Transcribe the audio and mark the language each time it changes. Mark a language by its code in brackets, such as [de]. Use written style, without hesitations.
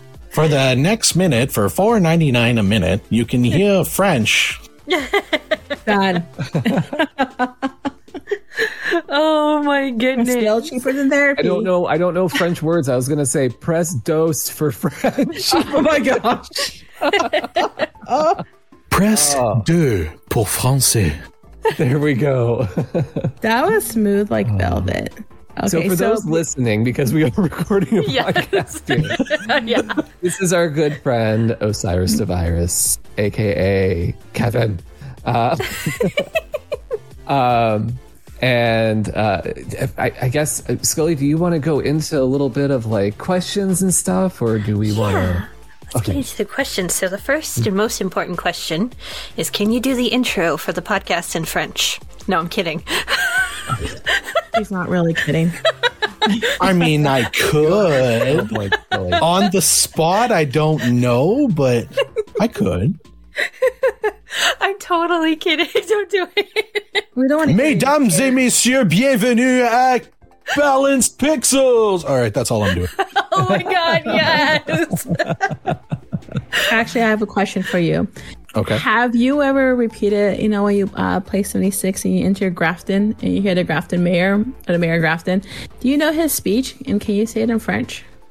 [en] For the next minute, for $4.99 a minute, you can hear French. Done. Oh my goodness. Still cheaper than therapy. I don't know French words. I was gonna say press dose for French. Oh my gosh. [fr] Press deux pour français. [en] There we go. That was smooth like velvet. Okay, so for those listening, because we are recording a podcast here, this is our good friend OsirisDeVirus, aka Kevin. I guess, Scully, do you want to go into a little bit of like questions and stuff, or do we want to? Let's get into the questions. So the first and most important question is, can you do the intro for the podcast in French? No, I'm kidding. He's not really kidding. I mean, I could. On the spot, I don't know, but I could. I'm totally kidding. Don't do it. We don't want to. [fr] Mesdames et messieurs, bienvenue à Balanced Pixels. [en] All right, that's all I'm doing. Oh my God, yes. Actually, I have a question for you. Okay. Have you ever repeated, you know, when you play 76 and you enter Grafton and you hear the Grafton mayor, or the mayor Grafton? Do you know his speech and can you say it in French?